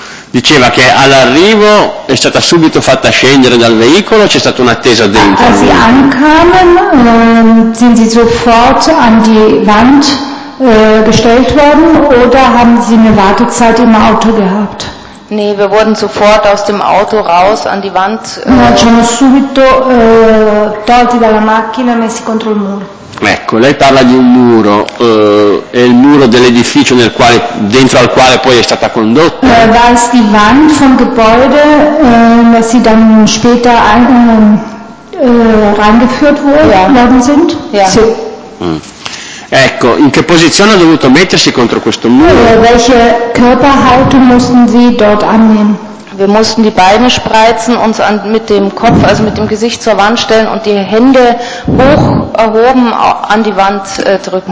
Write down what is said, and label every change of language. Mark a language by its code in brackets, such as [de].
[it] Diceva che all'arrivo è stata subito fatta scendere dal veicolo, c'è stata un'attesa dentro. [de] Als sie ankamen, sind sie sofort an die Wand gestellt worden oder haben sie eine Wartezeit im Auto gehabt? Nee, wir wurden sofort aus dem Auto raus an die Wand. [it] Ci hanno subito tolti dalla macchina e messi contro il muro. Ecco, lei parla di un muro, è il muro dell'edificio nel quale, dentro al quale poi è stata condotta. [de] Da ist die Wand vom Gebäude, was sie dann später reingeführt worden sind. Ja. [it] Sì. Ecco, in che posizione ha dovuto mettersi contro questo muro? [de] Welche Körperhaltung mussten Sie dort annehmen? Wir mussten die Beine spreizen, uns mit dem Kopf, also mit dem Gesicht zur Wand stellen und die Hände hoch erhoben an die Wand drücken.